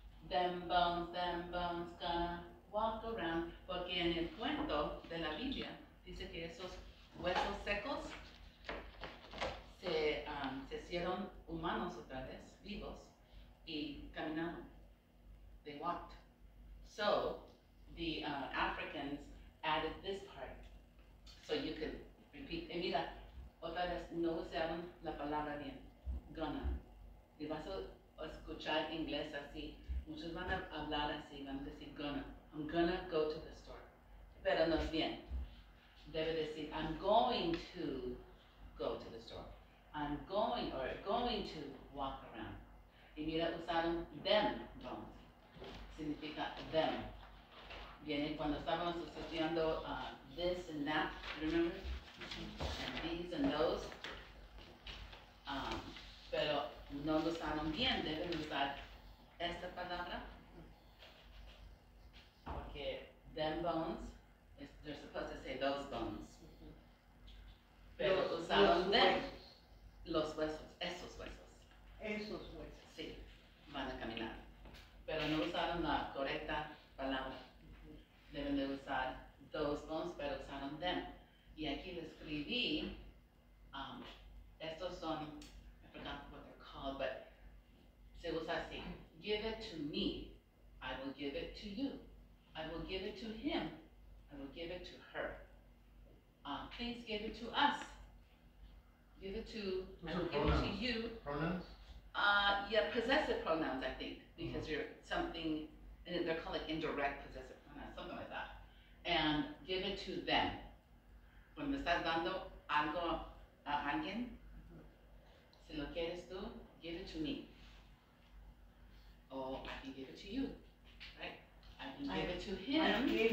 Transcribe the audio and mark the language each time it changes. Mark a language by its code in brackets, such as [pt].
[en] Them bones, gonna walk around. [es] Porque en el cuento de la Biblia dice que esos huesos secos se, se hicieron humanos otra vez, vivos, y caminaron. [en] They walked. So, the Africans added this part, so you could repeat. [es] Y mira, otra vez, no usaron la palabra bien, gonna. Y vas a escuchar inglés así, muchos van a hablar así, van a decir gonna. [en] I'm gonna go to the store. [es] Pero no es bien. Debe decir, [en] I'm going to go to the store. I'm going, or going to walk around. [es] Y mira, usaron [en] them, don't. [es] Significa them. Viene cuando estábamos estudiando [en] this and that, remember? And these and those. [es] Pero no lo usaron bien, deben usar esta palabra. Porque [en] them bones, they're supposed to say those bones. [es] Pero los, usaron los them, huesos. Los huesos, esos huesos. Esos huesos. Sí, van a caminar. Pero no usaron la correcta palabra. Deben de usar [en] those bones, [es] pero usaron them. Y aquí le escribí, estos son, [en] I forgot what they're called, [es] but se usa así. [en] Give it to me, I will give it to you. I will give it to him, I will give it to her. Please give it to us. Give it to, those I will give pronouns. It to you. Pronouns? Yeah, possessive pronouns, I think, because mm-hmm. you're something, and they're called like indirect possessive pronouns, something like that. And give it to them. [es] Cuando estás dando algo a alguien, si lo quieres tú, [en] give it to me. Or I can give it to you, right?